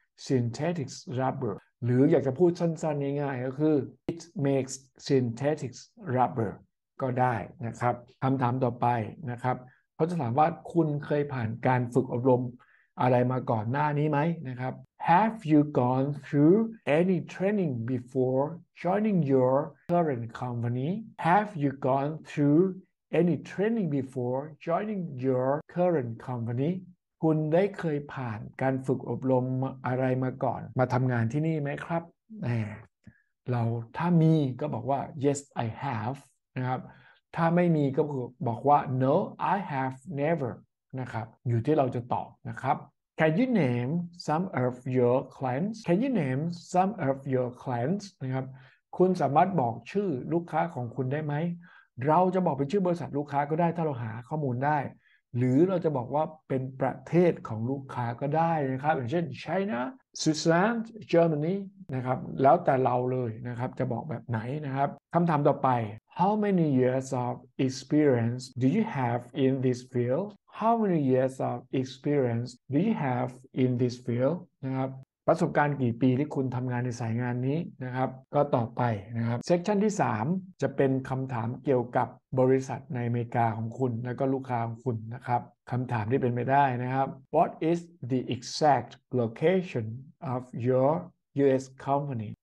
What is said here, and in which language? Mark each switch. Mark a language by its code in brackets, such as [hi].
[th] synthetic rubber หรืออยากจะพูดสั้นๆง่ายๆก็คือ [en] It makes synthetic rubber [th] ก็ได้นะครับคำถามต่อไปนะครับเขาจะถามว่าคุณเคยผ่านการฝึกอบรมอะไรมาก่อนหน้านี้ไหมนะครับ [en] Have you gone through any training before joining your current company? Have you gone through any training before joining your current company? [th] คุณได้เคยผ่านการฝึกอบรมอะไรมาก่อนมาทำงานที่นี่ไหมครับเราถ้ามีก็บอกว่า [en] Yes I have [th] นะครับถ้าไม่มีก็บอกว่า [en] No I have never [th] นะครับอยู่ที่เราจะตอบนะครับ [en] Can you name some of your clients? Can you name some of your clients? [th] นะครับคุณสามารถบอกชื่อลูกค้าของคุณได้ไหมเราจะบอกเป็นชื่อบริษัทลูกค้าก็ได้ถ้าเราหาข้อมูลได้หรือเราจะบอกว่าเป็นประเทศของลูกค้าก็ได้นะครับอย่างเช่น China, Switzerland, Germany นะครับแล้วแต่เราเลยนะครับจะบอกแบบไหนนะครับคำถามต่อไป [en] How many years of experience do you have in this field? How many years of experience do you have in this field? [th] นะครับประสบการณ์กี่ปีที่คุณทำงานในสายงานนี้นะครับก็ต่อไปนะครับเซกชันที่3จะเป็นคำถามเกี่ยวกับบริษัทในอเมริกาของคุณและก็ลูกค้าของคุณนะครับคำถามที่เป็นไปได้นะครับ [en] What is the exact location of your US company?